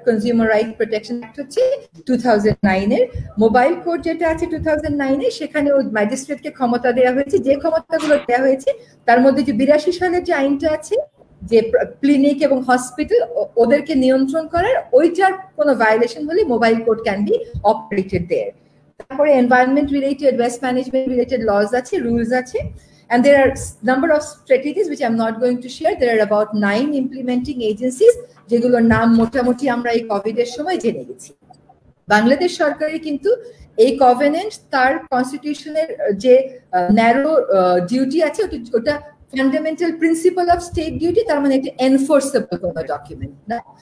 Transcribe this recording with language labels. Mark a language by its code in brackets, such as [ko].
[bn] Consumer right protection act হচ্ছে 2009-এর, mobile code যেটা আছে 2009-এ সেখানে ওই ম্যাজিস্ট্রেটকে ক্ষমতা দেওয়া হয়েছে, যে ক্ষমতাগুলো দেওয়া হয়েছে তার মধ্যে যে 82 সালের যে আইনটা আছে যে ক্লিনিক এবং হসপিটাল ওদেরকে নিয়ন্ত্রণ করার, ওইটার কোনো ভায়োলেশন হলে mobile code [en] Can be operated there. [bn] তারপরে environment related, waste management related lodge আছে, রুলস আছে। [en] And there are number of strategies which I'm not going to share. There are about 9 implementing agencies. [bn] যেগুলোর নাম মোটামুটি আমরা এই কোভিড এর সময় জেনে গেছি। বাংলাদেশ সরকারের কিন্তু এই কভেনেন্ট তার কনস্টিটিউশনের যে ন্যারো ডিউটি আছে ওটা fundamental principal of state duty, তার মানে একটা এনফোর্সেবল কোনো ডকুমেন্ট না।